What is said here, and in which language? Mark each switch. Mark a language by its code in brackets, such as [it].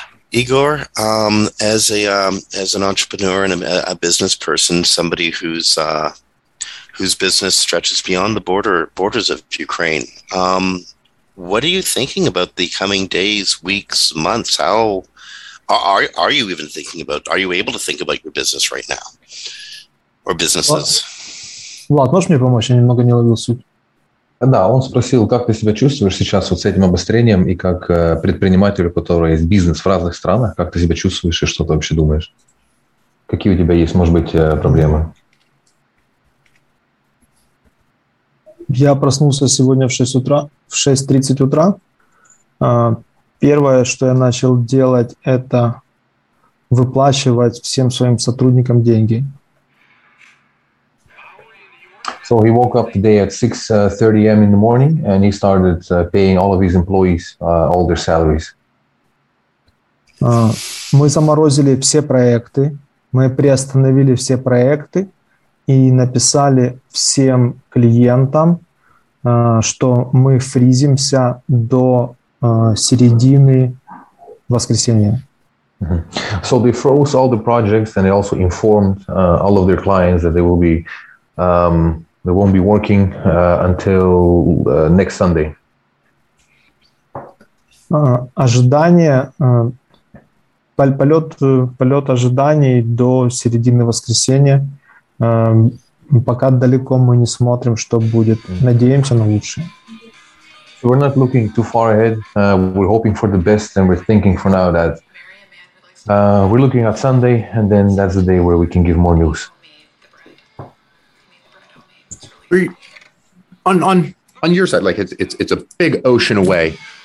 [en] Igor, as an entrepreneur and a business person, somebody whose business stretches beyond the borders of Ukraine. What are you thinking about the coming days, weeks, months? How are you even thinking about? Are you able to think about your business right now, or businesses? [ru] Влад, можешь мне помочь? Я немного не ловил суть. Да, он спросил, как ты себя чувствуешь сейчас вот с этим обострением и как предприниматель, у которого есть бизнес в разных странах, как ты себя чувствуешь и что ты вообще думаешь? Какие у тебя есть, может быть, проблемы? Я проснулся сегодня в 6 утра, в 6:30 утра. Первое, что я начал делать, это выплачивать всем своим сотрудникам деньги. [en] So he woke up today at 6:30 a.m. in the morning and he started paying all of his employees all their salaries. [ru] Мы заморозили все проекты, мы приостановили все проекты и написали всем клиентам, что мы фризимся до середины воскресенья. Mm-hmm. [en] So they froze all the projects and they also informed all of their clients that they will be they won't be working until next Sunday. [ru] Ожидание полет ожиданий до середины воскресенья. Пока далеко мы не смотрим, что будет. Надеемся на лучшее. [en] We're not looking too far ahead. We're hoping for the best, and we're thinking for now that we're looking at Sunday, and then that's the day where we can give more news. On your side, like it's a big ocean away.